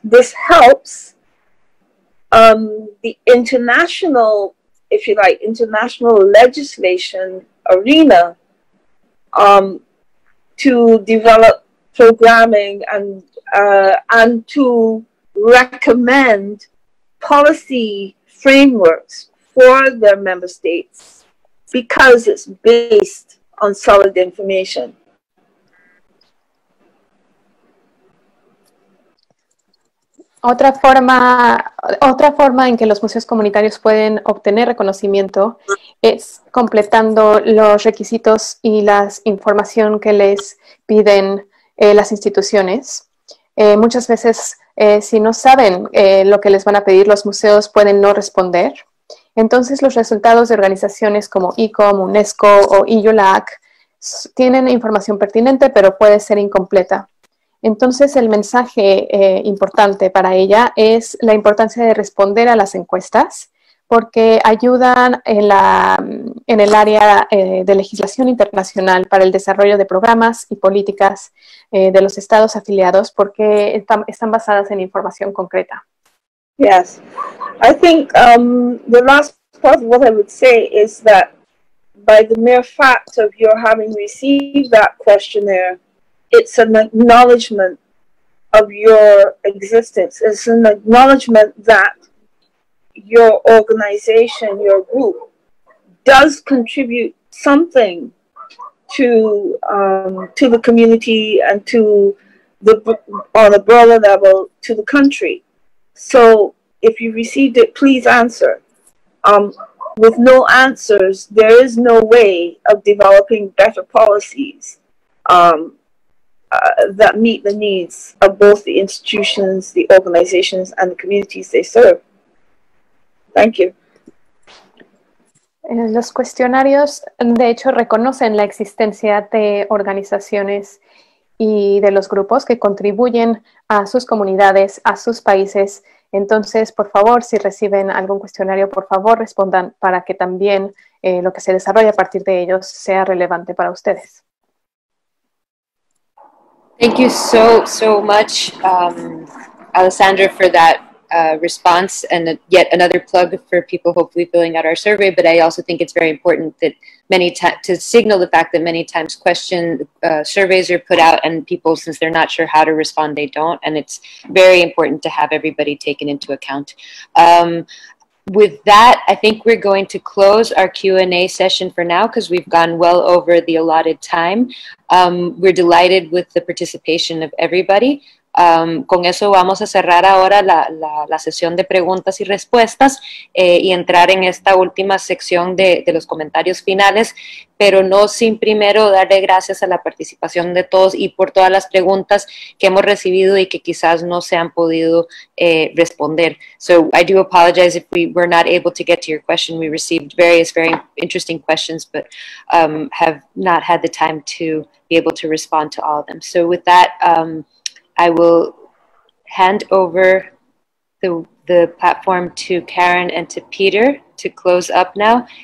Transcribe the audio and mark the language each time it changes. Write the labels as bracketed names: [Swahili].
[English] This helps the international, if you like, international legislation arena to develop programming and to recommend policy frameworks for their member states, because it's based on solid information. [Spanish] Otra forma en que los museos comunitarios pueden obtener reconocimiento es completando los requisitos y la información que les piden las instituciones. Muchas veces, si no saben lo que les van a pedir, los museos pueden no responder. Entonces, los resultados de organizaciones como ICOM, UNESCO o EULAC tienen información pertinente, pero puede ser incompleta. Entonces, el mensaje importante para ella es la importancia de responder a las encuestas, porque ayudan en el área de legislación internacional para el desarrollo de programas y políticas de los estados afiliados, porque están basadas en información concreta. [English] Yes, I think the last part of what I would say is that by the mere fact of your having received that questionnaire, it's an acknowledgement of your existence. It's an acknowledgement that your organization, your group, does contribute something to the community and to the on a broader level to the country. So if you received it, please answer. With no answers, there is no way of developing better policies that meet the needs of both the institutions, the organizations, and the communities they serve. Thank you. [Spanish] Los cuestionarios, de hecho, reconocen la existencia de organizaciones y de los grupos que contribuyen a sus comunidades, a sus países. Entonces, por favor, si reciben algún cuestionario, por favor, respondan para que también lo que se desarrolle a partir de ellos sea relevante para ustedes. [English] Thank you so much, Alessandra, for that response, and yet another plug for people hopefully filling out our survey. But I also think it's very important that many to signal the fact that many times question surveys are put out, and people, since they're not sure how to respond, they don't. And it's very important to have everybody taken into account. With that, I think we're going to close our Q&A session for now, because we've gone well over the allotted time. We're delighted with the participation of everybody. [Spanish] Con eso vamos a cerrar ahora la sesión de preguntas y respuestas y entrar en esta última sección de los comentarios finales, pero no sin primero darle gracias a la participación de todos y por todas las preguntas que hemos recibido y que quizás no se han podido responder. [English] So I do apologize if we were not able to get to your question. We received various very interesting questions, but have not had the time to be able to respond to all of them. So with that, I will hand over the platform to Karen and to Peter to close up now.